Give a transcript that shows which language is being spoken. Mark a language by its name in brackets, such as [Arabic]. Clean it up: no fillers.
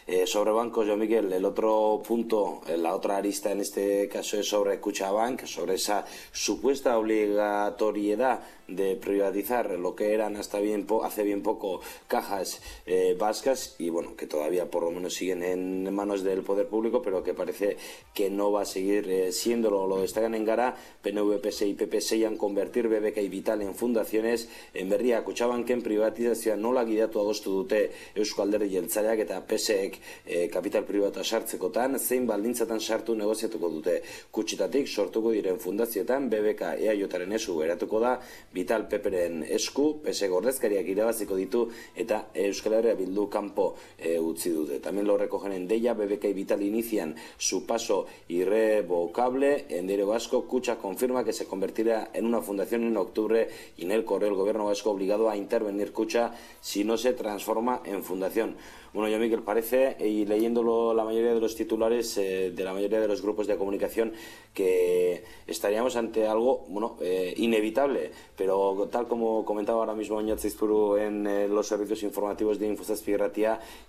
[Spanish] Sobre bancos, yo Miguel, el otro punto, la otra arista en este caso es sobre Cuchabank, sobre esa supuesta obligatoriedad de privatizar lo que eran hace bien poco cajas vascas, y bueno, que todavía por lo menos siguen en manos del poder público, pero que parece que no va a seguir siéndolo. Lo destacan en Gara: PNV, PSE y PP sellan convertir BBK y Vital en fundaciones. [Basque] En Berria, Kutxabank en privatizazioa nola gidatu adostu dute Eusko Alderdi Jeltzaleak eta PSEek kapital pribatua sartzekotan, zein baldintzatan sartu negoziatuko dute. Kutxitatik sortuko diren fundazioetan BBK EAJaren esku geratuko da, Vital Peperen esku, PSEek ordezkariak irabaziko ditu eta Euskal Herria Bildu kanpo utzi dute. [Spanish] Tambien lo recogen en Deia: BBK y Vital inician su paso irrevocable. En Diario Vasco, Kutxa confirma que se convertirá en una fundación en octubre. Y en el correo, el gobierno vasco obligado a intervenir Kutxa si no se transforma en fundación. Bueno, yo, Miguel, parece, y leyéndolo la mayoría de los titulares de la mayoría de los grupos de comunicación, que estaríamos ante algo, bueno, inevitable, pero tal como comentaba ahora mismo Oñat Zizpuru en los servicios informativos de Infozazpi Irratia,